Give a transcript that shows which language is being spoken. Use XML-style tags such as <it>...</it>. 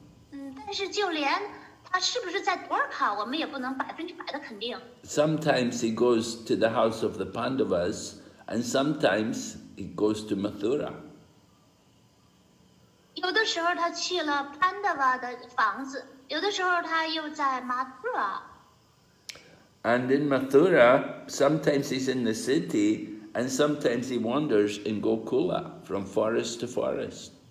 <zh>但是就连他是不是在多尔卡，我们也不能百分之百的肯定。</zh> <en>Sometimes he goes to the house of the Pandavas, and sometimes he goes to Mathura.</en> <zh>有的时候他去了潘德瓦的房子，有的时候他又在马图拉。</zh> <en>And in Mathura, sometimes he's in the city, and sometimes he wanders in Gokula, from forest to forest.</en>